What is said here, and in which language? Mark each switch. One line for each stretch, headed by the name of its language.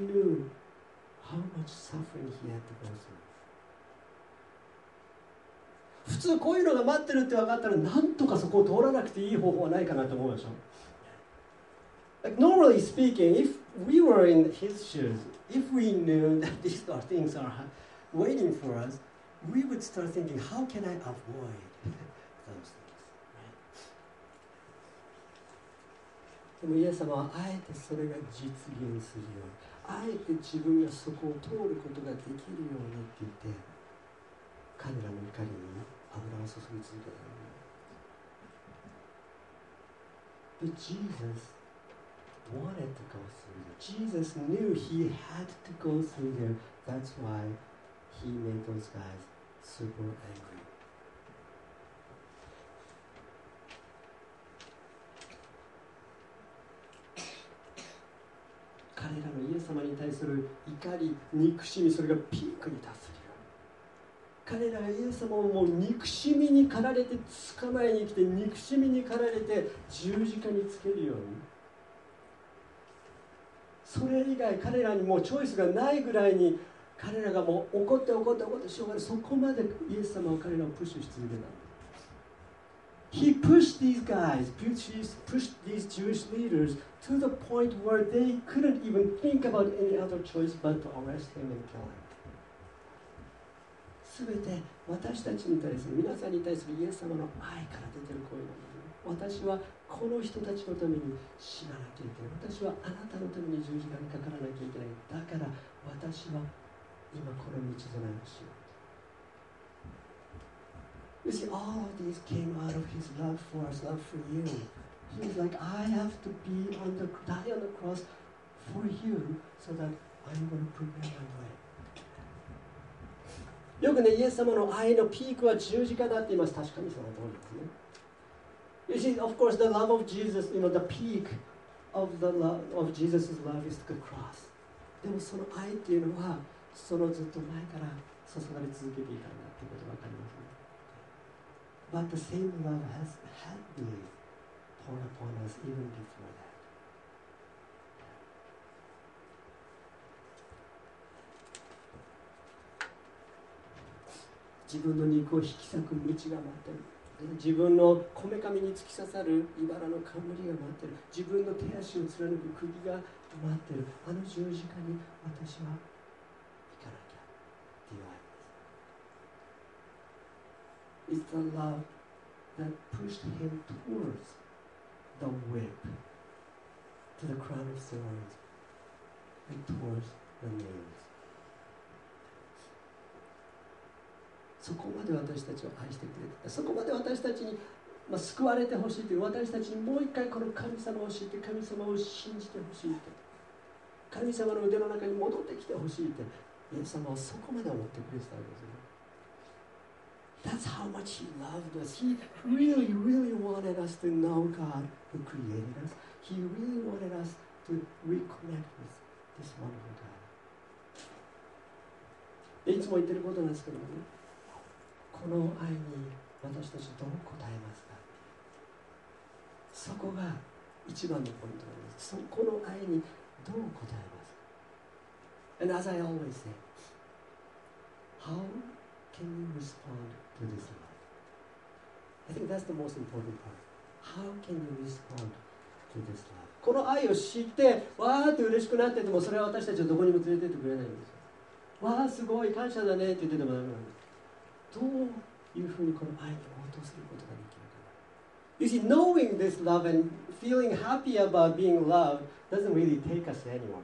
English: He knew how much suffering he had to go through.
Japanese: 普通こういうのが待ってるって分かったらなんとかそこを通らなくていい方法はないかなと思うでしょ。
English: Like, normally speaking, if we were in his shoes, if we knew that these things are waiting for us, we would start thinking, how can I avoid those things? Right?
Japanese: でもイエス様はあえてそれが実現するように、あえて自分がそこを通ることができるようにって言って、彼らの怒りに油を注ぎ続けた。
English: But Jesus wanted to go through there. Jesus knew he had to go through there. That's why he made those guys super angry.
Japanese: 彼らのイエス様に対する怒り、憎しみ、それがピークに達するよ。彼らがイエス様をもう憎しみに駆られて捕まえに来て、憎しみに駆られて十字架につけるように、それ以外彼らにもうチョイスがないぐらいに、彼らがもう怒って怒って怒ってしょうがない、そこまでイエス様は彼らをプッシュし続けた。
English: He pushed these guys, pushed these Jewish leaders to the point where they couldn't even think about any other choice but to arrest him and kill him.
Japanese: 全て私たちに対する、皆さんに対するイエス様の愛から出てる声なんです。私はこの人たちのために死ななきゃいけない。私はあなたのために十字架にかからなきゃいけない。だから私は今この道じゃないしよう。
English: You see, all of these came out of his love for us, love for you. He was like, I have to be on the, die on the cross for you so that I'm going to prepare my way.
Japanese: よくね、イエス様の愛のピークは十字架だって言います。確かにその通りですね。
English: You see, of course, the love of Jesus, you know, the peak of the love of Jesus' love is the cross.
Japanese: でもその愛っていうのは、そのずっと前から注がれ続けていたんだってことが分かりますね。
English: But the same love has had been poured upon us even before that. Yeah.
Japanese: 自分の肉を引き裂く道が待ってる。自分のこめかみに突き刺さる茨の冠が待ってる。自分の手足を貫く釘が待ってる。あの十字架に私は行かなきゃって言われます。
English: It's the love that pushed him towards the whip, to the crown of thorns, and towards the nails.
Japanese: そこまで私たちを愛してくれてた。そこまで私たちに、まあ、救われてほしいという、私たちにもう一回この神様を知って、神様を信じてほしいと、神様の腕の中に戻ってきてほしいと、イエス様はそこまで思ってくれてたんですね。
English: That's how much he loved us. He really, really wanted us to know God who created us. He really wanted us to reconnect with this wonderful God.
Japanese: いつも言ってることなんですけどね、この愛に私たちはどう答えますか。そこが一番のポイントなんです。そこの愛にどう答えますか。
English: And as I always say, how can you respond to this love? I think that's the most important part. How can you respond to this love?
Japanese: この愛を知ってわーって嬉しくなってても、それは私たちをどこにも連れてってくれないんですよ。わーすごい感謝だねって言っててもダメなんです。どういうふうにこの愛に応答することができるか。
English: You see, knowing this love and feeling happy about being loved doesn't really take us anywhere.